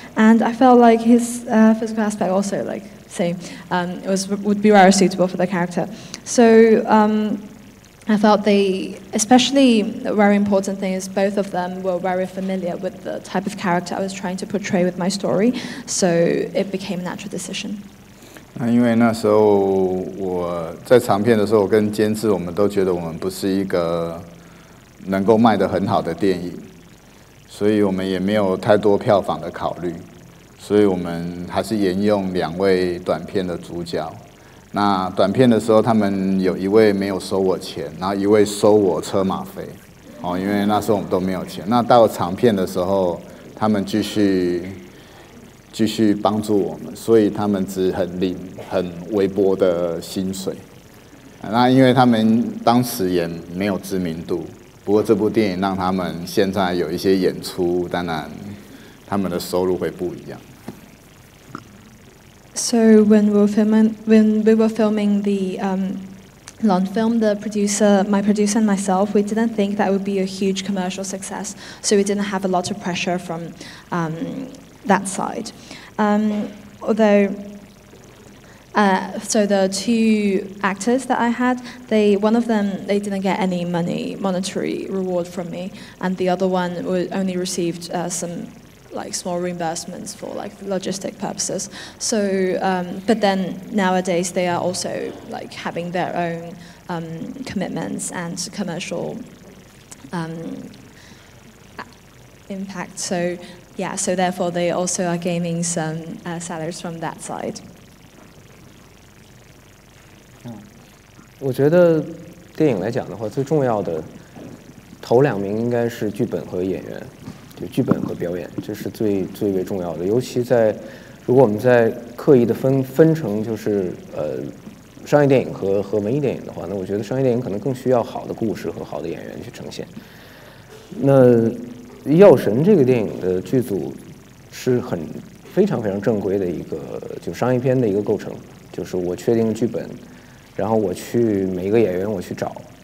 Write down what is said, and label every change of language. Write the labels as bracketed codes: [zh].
[en] And I felt like his physical aspect also, like, say, would be very suitable for the character. So I felt they, especially the very important thing is both of them were very familiar with the type of character I was trying to portray with my story. So it became a natural decision. [zh] 那因为那时候我在长片的时候，我跟监制我们都觉得我们不是一个能够卖得很好的电影，所以我们也没有太多票房的考虑，所以我们还是沿用两位短片的主角。那短片的时候，他们有一位没有收我钱，然后一位收我车马费，哦，因为那时候我们都没有钱。那到长片的时候，他们继续帮助我们，所以他们只很领很微薄的薪水。那因为他们当时也没有知名度，不过这部电影让他们现在有一些演出，当然他们的收入会不一样。 [en] So when we were filming the long film, my producer and myself, we didn't think that would be a huge commercial success, so we didn't have a lot of pressure from that side. So the two actors that I had, one of them didn't get any monetary reward from me, and the other one only received some like small reimbursements for like logistic purposes. So, but then nowadays they are also like having their own commitments and commercial impact. So, yeah. So therefore, they also are gaining some salaries from that side. [zh] 我觉得电影来讲的话，最重要的头两名应该是剧本和演员。剧本和表演，这是最为重要的。尤其在如果我们在刻意的分成，就是商业电影和文艺电影的话，那我觉得商业电影可能更需要好的故事和好的演员去呈现。那《药神》这个电影的剧组是很非常非常正规的一个就商业片的一个构成，就是我确定剧本，然后我去每个演员我去找。